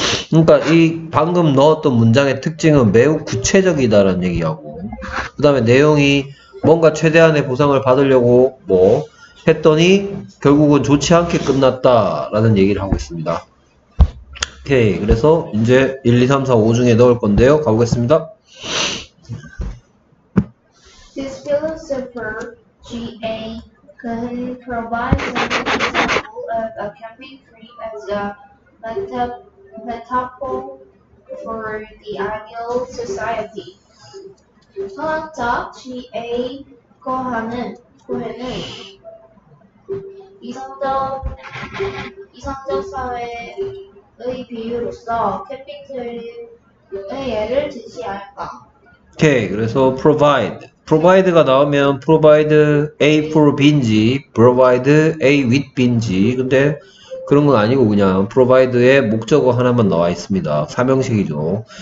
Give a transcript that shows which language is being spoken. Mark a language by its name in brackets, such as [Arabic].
[Korean] 그러니까 이 방금 넣었던 문장의 특징은 매우 구체적이다라는 얘기하고, 그다음에 내용이 뭔가 최대한의 보상을 받으려고 뭐 했더니 결국은 좋지 않게 끝났다라는 얘기를 하고 있습니다. 오케이. 그래서 이제 1, 2, 3, 4, 5 중에 넣을 건데요. 가보겠습니다. [English] This philosopher, G.A., can provide an example of a camping trip as a metaphor for the ideal society. [Korean] 철학자 G.A. 거하는 교회는 이상적 사회의 비유로서 캠핑 트립의 예를 제시할까? 오케이. 그래서 provide가 나오면 provide a for b인지 provide a with b인지 근데 그런 건 아니고 그냥 provide에 목적어 하나만 나와 있습니다. 삼형식이죠.